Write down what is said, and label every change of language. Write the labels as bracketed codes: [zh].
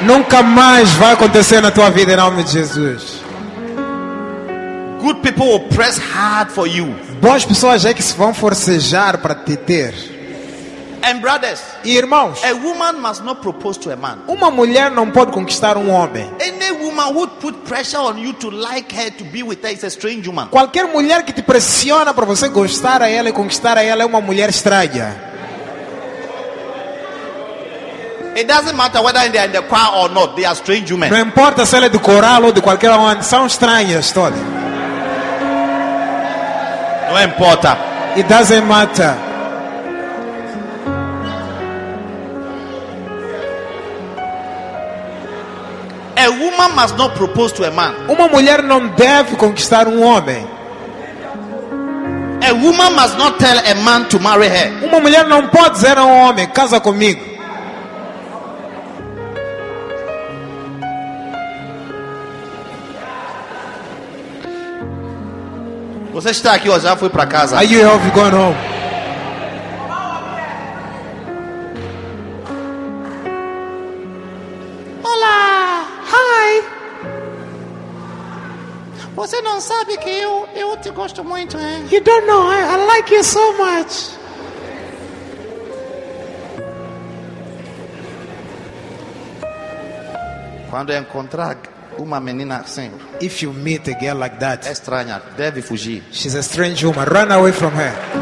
[pt] Nunca mais vai acontecer na tua vida em nome de Jesus. [en] Good people will press hard for you. [pt] Boas pessoas é que se vão forcejar para te ter. [en] And brothers, [pt] e irmãos, [en] a woman must not propose to a man. [pt] Uma mulher não pode conquistar um homem. [en] Any woman woman would put pressure on you to like her, to be with her, is a strange woman. [pt] Qualquer mulher que te pressiona para você gostar a ela e conquistar a ela é uma mulher estranha. [en] It doesn't matter whether they are in the choir or not, they are strange women. [pt] Não importa se ela é do coral ou de qualquer uma, são estranhas todas. Não importa. [en] It doesn't matter. A woman must not propose to a man. [pt] Uma mulher não deve conquistar homem. [en] A woman must not tell a man to marry her. [pt] Uma mulher não pode dizer homem, casa comigo. Você está aqui ou já foi para casa? [en] Are you off going home? [pt] Olá! [en] Hi! [pt] Você não sabe que eu te gosto muito, hein? [en] You don't know, I like you so much. [pt] Quando encontrar uma menina assim, [en] if you meet a girl like that, [pt] estranha, deve fugir. [en] She's a strange woman. Run away from her.